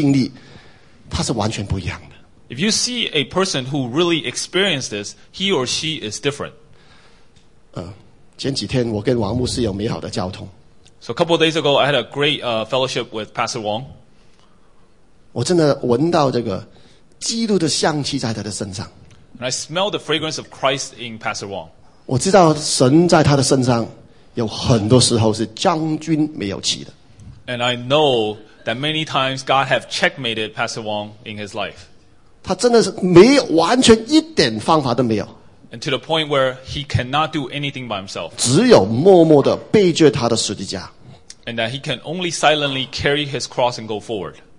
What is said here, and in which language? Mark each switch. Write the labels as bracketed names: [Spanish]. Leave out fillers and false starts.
[Chinese] 如果你看见一个人生命里面真的有解阳解的经历，他是完全不一样的。 [English] If you see a person who really experienced this, he or she is different. [Chinese] 前几天我跟王牧师有美好的交通。 [English] So a couple of days ago, I had a great fellowship with Pastor Wong. [Chinese] 我真的闻到这个基督的香气在他的身上。 [English] And I smell the fragrance of Christ in Pastor Wong. [Chinese] 我知道神在他的身上有很多时候是将军没有起的。 [English] And I know that many times God have checkmated Pastor Wong in his life. [Chinese] 他真的是没有完全一点方法都没有。 [English] And to the point where he cannot do anything by himself. [Chinese] 只有默默地背着他的十字架。 [English] And that he can only silently carry his cross and go forward.